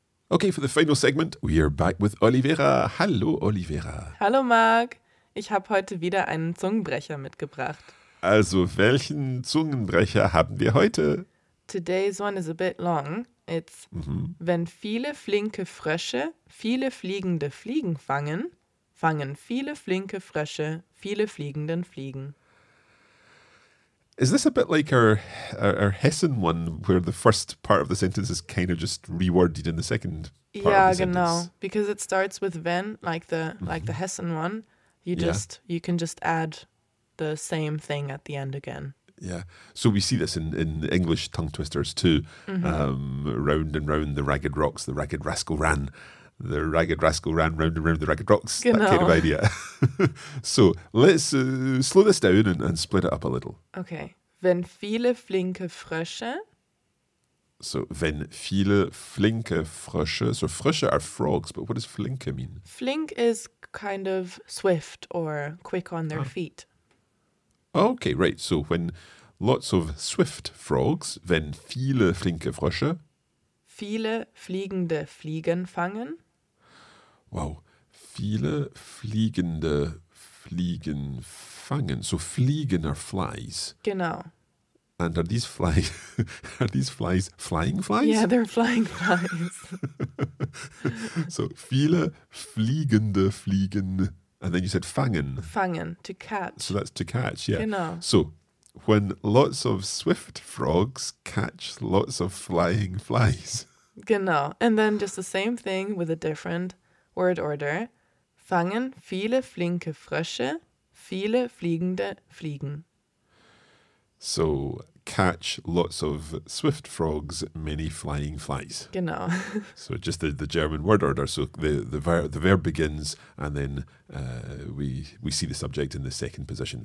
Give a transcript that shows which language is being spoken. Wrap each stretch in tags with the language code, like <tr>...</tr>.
<en>Okay, for the final segment, we are back with Oliveira.</en> <de>Hallo Oliveira. Hallo Marc. Ich habe heute wieder einen Zungenbrecher mitgebracht. Also, welchen Zungenbrecher haben wir heute?</de> <en>Today's one is a bit long. It's,</en> <de>wenn viele flinke Frösche viele fliegende Fliegen fangen, fangen viele flinke Frösche viele fliegenden Fliegen.</de> <en>Is this a bit like our Hessen one, where the first part of the sentence is kind of just reworded in the second part yeah, of the</en> <de>genau.</de> <en>Sentence? Because it starts with wenn, like the like the Hessen one. You just you can just add the same thing at the end again. Yeah. So we see this in English tongue twisters too. Round and round the ragged rocks, the ragged rascal ran. The ragged rascal ran round and round the ragged rocks.</en> <de>Genau.</de> <en>That kind of idea. So let's slow this down and split it up a little. Okay.</en> <de>Wenn viele flinke Frösche. So wenn viele flinke Frösche.</de> <en>So Frösche are frogs, but what does flinke mean? Flink is kind of swift or quick on their feet. Okay, right. So when lots of swift frogs,</en> <de>wenn viele flinke Frösche. Viele fliegende Fliegen fangen. Wow. Viele fliegende Fliegen fangen.</de> <en>So fliegen are flies.</en> <de>Genau.</de> <en>And are these flies, flying flies? Yeah, they're flying flies. So viele fliegende Fliegen. And then you said fangen. Fangen, to catch. So that's to catch, yeah.</en> <de>Genau.</de> <en>So when lots of swift frogs catch lots of flying flies. Genau. And then just the same thing with a different word order.</en> <de>Fangen viele flinke Frösche, viele fliegende Fliegen.</de> <en>So catch lots of swift frogs, many flying flies.</en> <de>Genau.</de> <en>So just the German word order. So the verb begins and then we see the subject in the second position.</en>